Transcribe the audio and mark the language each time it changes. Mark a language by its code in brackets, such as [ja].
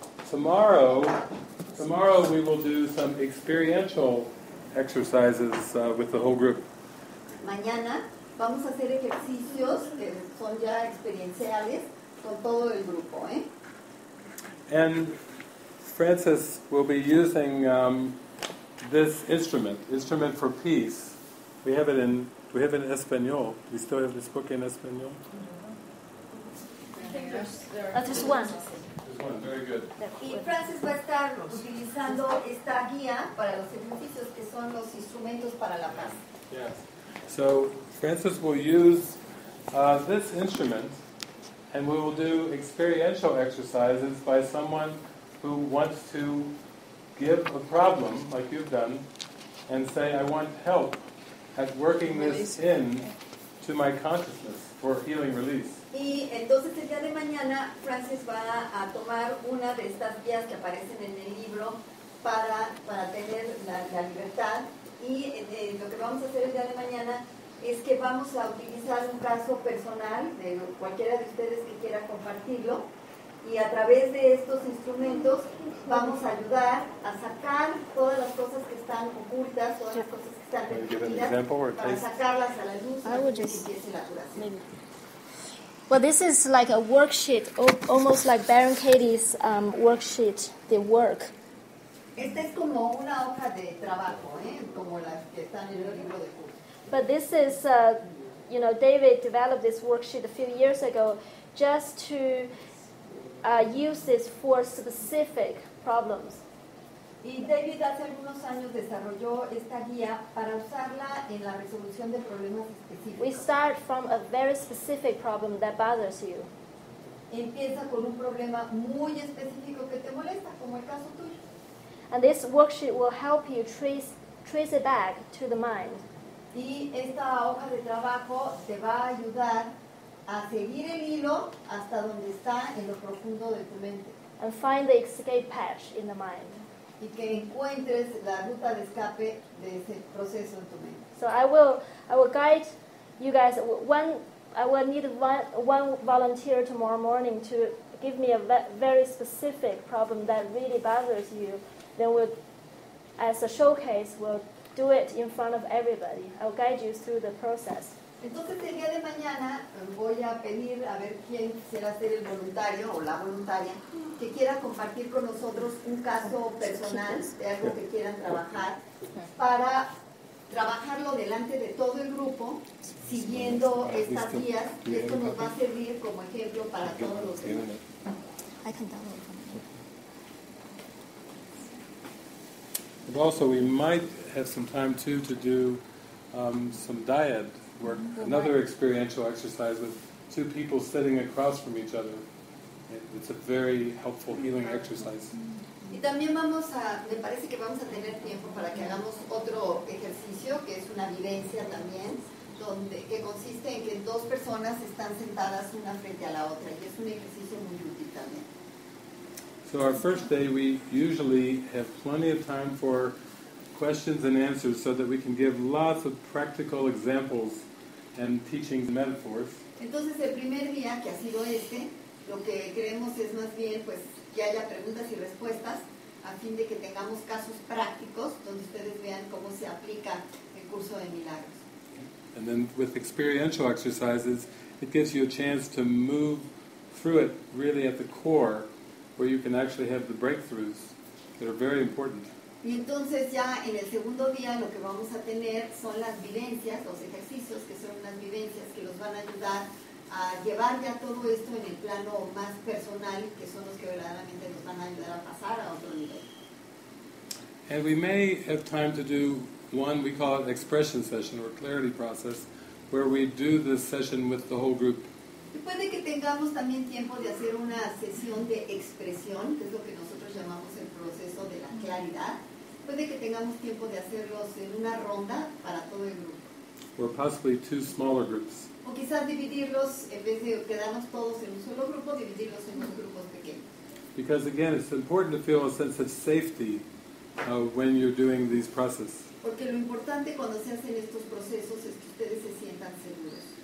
[en] Tomorrow we will do some experiential exercises with the whole group. [es] Mañana vamos a hacer ejercicios que son ya experienciales con todo el grupo, ¿eh? [en] And Francis will be using this instrument for peace. Do we have it in español? Do we still have this book in español? That is one. Very good. [es] Y Francis va a estar utilizando esta guía para los ejercicios que son los instrumentos para la paz. [en] Yes. So Francis will use this instrument, and we will do experiential exercises by someone who wants to give a problem, like you've done, and say, I want help at working this in to my consciousness for healing release. [es] Y entonces el día de mañana Francis va a tomar una de estas guías que aparecen en el libro para tener la libertad. Y lo que vamos a hacer el día de mañana es que vamos a utilizar un caso personal de cualquiera de ustedes que quiera compartirlo. Y a través de estos instrumentos vamos a ayudar a sacar todas las cosas que están ocultas, todas las cosas que están reprimidas, para sacarlas a la luz y que se empiece la curación. [en] Well, this is like a worksheet, almost like Baron Katie's worksheet, the work. [es] Esta es como una hoja de trabajo, como las que están en el libro de curso. [en] But this is, you know, David developed this worksheet a few years ago just to use this for specific problems. [es] Y David hace algunos años desarrolló esta guía para usarla en la resolución de problemas específicos. [en] We start from a very specific problem that bothers you. [es] Empieza con un problema muy específico que te molesta, como el caso tuyo. [en] And this worksheet will help you trace it back to the mind. [es] Y esta hoja de trabajo te va a ayudar a seguir el hilo hasta donde está en lo profundo de tu mente. [en] And find the escape patch in the mind. [es] Y que encuentres la ruta de escape de ese proceso en tu mente. [en] So I will guide you guys. I will need one volunteer tomorrow morning to give me a very specific problem that really bothers you. Then we'll, as a showcase, we'll do it in front of everybody. I'll guide you through the process. [es] Entonces el día de mañana voy a pedir a ver quién quisiera ser el voluntario o la voluntaria que quiera compartir con nosotros un caso personal de algo que quieran trabajar para trabajarlo delante de todo el grupo siguiendo estas guías, y esto nos va a servir como ejemplo para todos los demás. [en] I can download it. But also we might have some time too to do some dyad work, another experiential exercise with two people sitting across from each other. It's a very helpful healing exercise. [es] Y también vamos a, me parece que vamos a tener tiempo para que hagamos otro ejercicio, que es una vivencia también, donde que consiste en que dos personas están sentadas una frente a la otra, y es un ejercicio muy útil también. [en] So our first day, we usually have plenty of time for questions and answers so that we can give lots of practical examples and teachings and metaphors. [es] Entonces el primer día, que ha sido este, lo que queremos es más bien pues que haya preguntas y respuestas a fin de que tengamos casos prácticos donde ustedes vean cómo se aplica el curso de milagros. [en] And then with experiential exercises, it gives you a chance to move through it really at the core where you can actually have the breakthroughs that are very important. [es] Y entonces ya en el segundo día lo que vamos a tener son las vivencias, los ejercicios que son unas vivencias que los van a ayudar a llevar ya todo esto en el plano más personal, que son los que verdaderamente nos van a ayudar a pasar a otro nivel. [en] And we may have time to do one, we call it expression session or clarity process, where we do this session with the whole group. [es] Y puede que tengamos también tiempo de hacer una sesión de expresión, que es lo que nosotros llamamos el proceso de la claridad. Puede que tengamos tiempo de hacerlos en una ronda para todo el grupo. [en] Or possibly two smaller groups. [es] O quizás dividirlos, en vez de quedarnos todos en un solo grupo, dividirlos en dos grupos pequeños. [en] Because again, it's important to feel a sense of safety when you're doing these processes. [es] Porque lo importante cuando se hacen estos procesos es que ustedes se sientan seguros.